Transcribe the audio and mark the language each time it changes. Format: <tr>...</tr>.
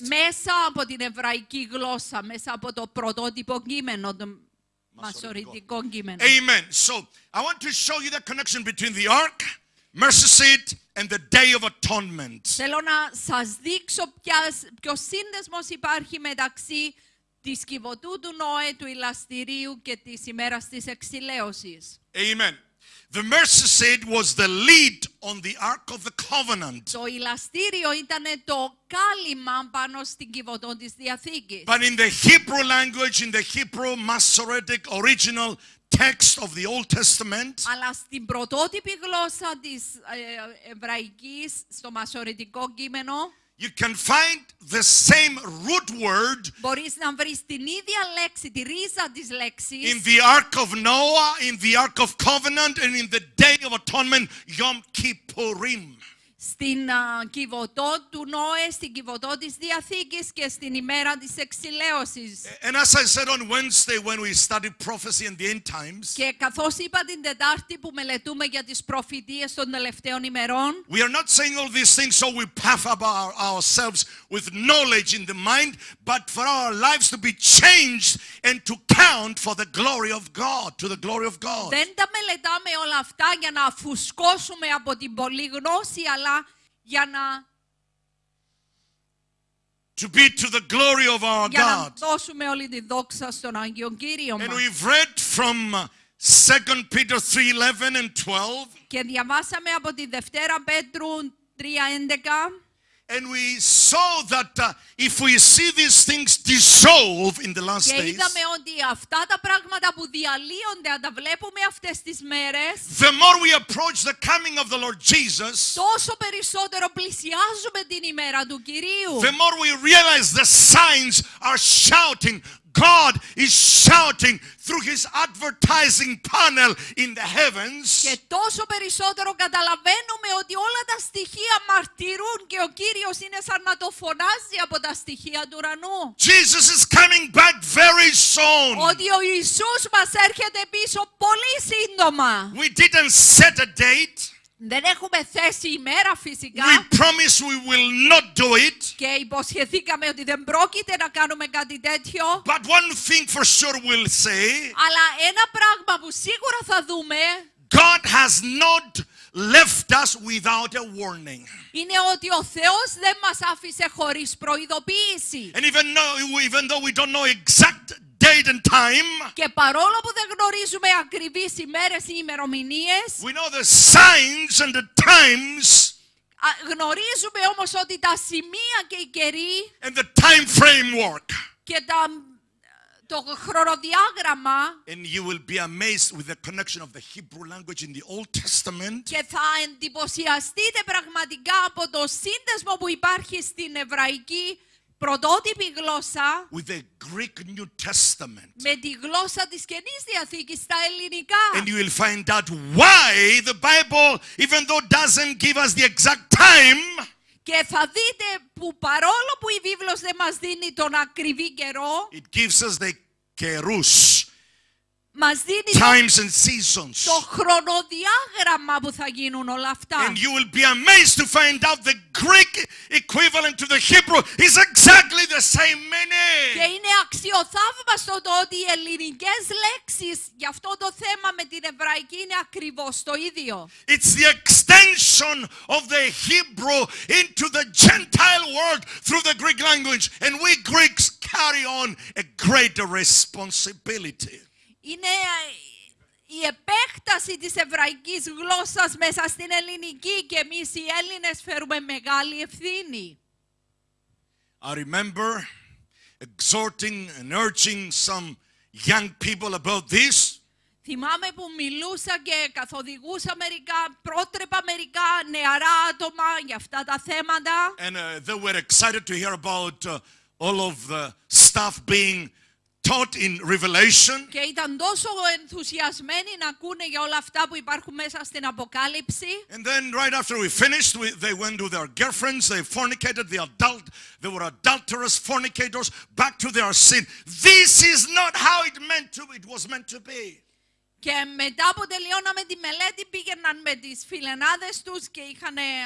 <el>Μέσα από την εβραϊκή γλώσσα, μέσα από το πρωτότυπο κείμενο, το μασορετικό κείμενο.</el> <en>Amen. So, I want to show you the connection between the Ark, mercy seat, and the Day of Atonement.</en> <el>Θέλω να σας δείξω ποιο σύνδεσμος υπάρχει μεταξύ της κυβωτού του Νόε, του ηλαστηρίου και της ημέρας της εξηλαίωσης.</el> <en>Amen. The mercy seat was the lid on the Ark of the Covenant.</en> <el>Το ηλαστήριο ήταν το κάλυμα πάνω στην κυβωτό της Διαθήκης.</el> <en>But in the Hebrew language, in the Hebrew Masoretic original text of the Old Testament.</en> <el>Αλλά στην πρωτότυπη γλώσσα της εβραϊκής, στο μασορετικό κείμενο,</el> <en>you can find the same root word.</en> <el>Μπορείς να βρεις την ίδια λέξη, τη ρίζα της λέξης.</el> <en>In the Ark of Noah, in the Ark of Covenant, and in the Day of Atonement, Yom Kippurim.</en> <el>στην κυβωτό του Νόε, στην κυβωτό της Διαθήκης και στην ημέρα της εξιλέωσης.</el> <en>And as I said on Wednesday when we studied prophecy and the end times.</en> <el>Και καθώς είπα την Τετάρτη που μελετούμε για τις προφητείες των τελευταίων ημερών.</el> <en>We are not saying all these things so we puff up ourselves with knowledge in the mind, but for our lives to be changed and to count for the glory of God, to the glory of God.</en> <el>Δεν τα μελετάμε όλα αυτά για να φουσκώσουμε από την πολλή γνώση, αλλά για να</el> <en>to be to the glory of our God.</en> <el>Για να δώσουμε όλη τη δόξα στον Άγιο Κύριο μας.</el> <en>And we've read from 2 Peter 3:11 and 12.</en> <el>Και διαβάσαμε από τη Δευτέρα Πέτρου 3:11.</el> <en>And we saw that if we see these things dissolve in the last days.</en> <el>Και είδαμε ότι αυτά τα πράγματα που διαλύονται, αν τα βλέπουμε αυτές τις μέρες.</el> <en>The more we approach the coming of the Lord Jesus.</en> <el>Τόσο περισσότερο πλησιάζουμε την ημέρα του Κυρίου.</el> <en>The more we realize the signs are shouting. God is shouting through his advertising panel in the heavens.</en> <el>Και τόσο περισσότερο καταλαβαίνουμε ότι όλα τα στοιχεία μαρτυρούν και ο Κύριος είναι σαν να το φωνάζει από τα στοιχεία του ουρανού.</el> <en>Jesus is coming back very soon.</en> <el>Ότι ο Ιησούς μας έρχεται πίσω πολύ σύντομα.</el> <en>We didn't set a date.</en> <el>Δεν έχουμε θέσει ημέρα φυσικά.</el> <en>We promise we will not do it.</en> <el>Και υποσχεθήκαμε ότι δεν πρόκειται να κάνουμε κάτι τέτοιο.</el> <en>But one thing for sure we'll say.</en> <el>Αλλά ένα πράγμα που σίγουρα θα δούμε.</el> <en>God has not left us without a warning.</en> <el>Είναι ότι ο Θεός δεν μας άφησε χωρίς προειδοποίηση.</el> <en>And even though we don't know exact date and time,</en> <el>και παρόλο που δεν γνωρίζουμε ακριβείς ημέρες ή ημερομηνίες,</el> <en>we know the signs and the times,</en> <el>γνωρίζουμε όμως ότι τα σημεία και οι καιροί</el> <en>and the time framework,</en> <el>και το χρονοδιάγραμμα,</el> <en>and you will be amazed with the connection of the Hebrew language in the Old Testament,</en> <el>και θα εντυπωσιαστείτε πραγματικά από το σύνδεσμο που υπάρχει στην εβραϊκή πρωτότυπη γλώσσα,</el> <en>with the Greek New Testament,</en> <el>με τη γλώσσα της Καινής Διαθήκης στα ελληνικά,</el> <en>and you will find out why the Bible, even though doesn't give us the exact time,</en> <el>και θα δείτε που παρόλο που η Βίβλος δεν μας δίνει τον ακριβή καιρό,</el> <en>it gives us the καιρούς,</en> <el>μας δίνει</el> <en>times and seasons,</en> <el>το χρονοδιάγραμμα που θα γίνουν όλα αυτά.</el> <en>And you will be amazed to find out the Greek equivalent to the Hebrew is exactly the same meaning.</en> <el>Και είναι αξιοθαύμαστο το ότι οι ελληνικές λέξεις για αυτό το θέμα με την εβραϊκή είναι ακριβώς το ίδιο.</el> <en>It's the extension of the Hebrew into the Gentile world through the Greek language, and we Greeks carry on a greater responsibility.</en> <el>Είναι η επέκταση της εβραϊκής γλώσσας μέσα στην ελληνική και εμείς οι Έλληνες φέρουμε μεγάλη ευθύνη.</el> <en>I remember exhorting and urging some young people about this.</en> <el>Θυμάμαι που μιλούσα και καθοδηγούσα μερικά, πρότρεπα μερικά νεαρά άτομα για αυτά τα θέματα.</el> <en>And they were excited to hear about all of the stuff being taught in Revelation.</en> <el>Και ήταν τόσο ενθουσιασμένοι να ακούνε για όλα αυτά που υπάρχουν μέσα στην Αποκάλυψη.</el> <en>And then right after we finished, they went to their girlfriends, they fornicated, they were adulterous fornicators, back to their sin. This is not how it was meant to be.</en> <el>Και μετά που τελειώναμε τη μελέτη πήγαιναν με τις φιλενάδες τους και είχαν</el>